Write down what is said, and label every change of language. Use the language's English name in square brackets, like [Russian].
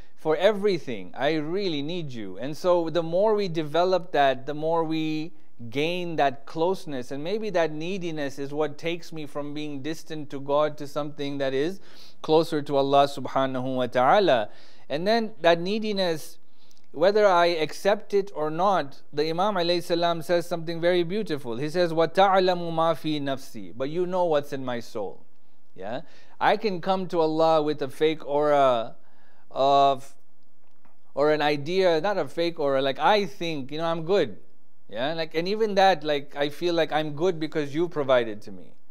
[English] For everything, I really need you. And so the more we develop that, the more we gain that closeness. And maybe that neediness is what takes me from being distant to God to something that is closer to Allah subhanahu wa ta'ala. And then that neediness, whether I accept it or not, the Imam alayhi salam says something very beautiful. He says, [Arabic] وَتَعْلَمُ مَا فِي نَفْسِي. [English] But you know what's in my soul. Yeah? I can come to Allah with a fake aura of, or an idea, not a fake aura, like I think, you know, I'm good. Yeah, like, and even that, like, I feel like I'm good because you provided to me.